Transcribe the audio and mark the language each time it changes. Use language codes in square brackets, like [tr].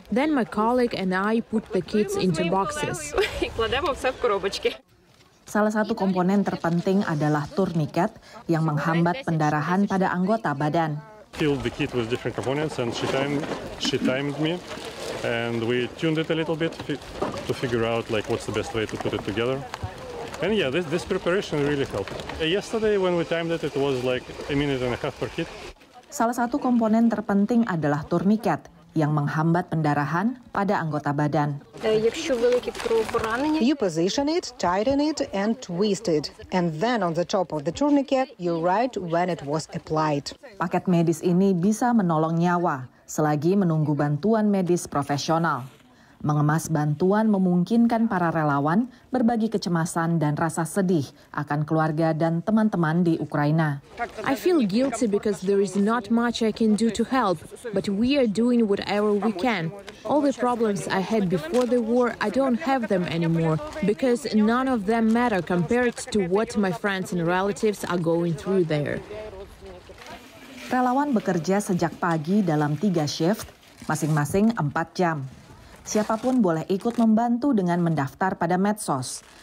[en] Then my colleague and I put the kits into boxes. [id] Salah satu komponen terpenting adalah tourniquet yang menghambat pendarahan pada anggota badan. [en] Filled the kit with different components and she timed me. And we tuned it a little bit to figure out like what's the best way to put it together. And yeah, this preparation really helped. Yesterday when we timed it, it was like a minute and a half per kit. [id] Salah satu komponen terpenting adalah tourniquet yang menghambat pendarahan pada anggota badan. [en] You position it, tighten it, and twist it. And then on the top of the tourniquet, you write when it was applied. [id] Paket medis ini bisa menolong nyawa selagi menunggu bantuan medis profesional. Mengemas bantuan memungkinkan para relawan berbagi kecemasan dan rasa sedih akan keluarga dan teman-teman di Ukraina. [en] I feel guilty because there is not much I can do to help, but we are doing whatever we can. All the problems I had before the war, I don't have them anymore, because none of them matter compared to what my friends and relatives are going through there. [id] Relawan bekerja sejak pagi dalam 3 shift, masing-masing 4 jam. Siapapun boleh ikut membantu dengan mendaftar pada medsos.